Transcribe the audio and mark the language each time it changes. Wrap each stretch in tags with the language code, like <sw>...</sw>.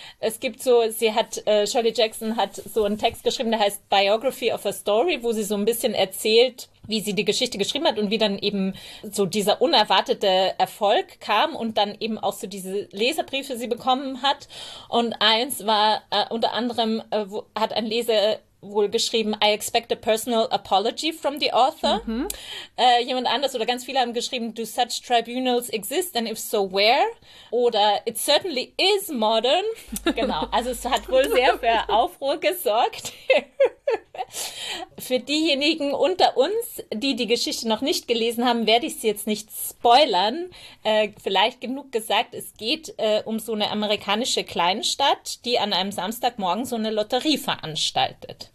<de>Es gibt so, Shirley Jackson hat so einen Text geschrieben, der heißt Biography of a Story, wo sie so ein bisschen erzählt, wie sie die Geschichte geschrieben hat und wie dann eben so dieser unerwartete Erfolg kam und dann eben auch so diese Leserbriefe sie bekommen hat. Und eins war unter anderem, hat ein Leser wohl geschrieben,</de> <en>I expect a personal apology from the author.</en> <de>Mhm. Jemand anders oder ganz viele haben geschrieben,</de> <en>do such tribunals exist and if so where?</en> <de>Oder</de> <en>it certainly is modern.</en> <de>Genau, also es hat wohl sehr für Aufruhr gesorgt. Für diejenigen unter uns, die die Geschichte noch nicht gelesen haben, werde ich sie jetzt nicht spoilern. Vielleicht genug gesagt, es geht um so eine amerikanische Kleinstadt, die an einem Samstagmorgen so eine Lotterie veranstaltet.</de>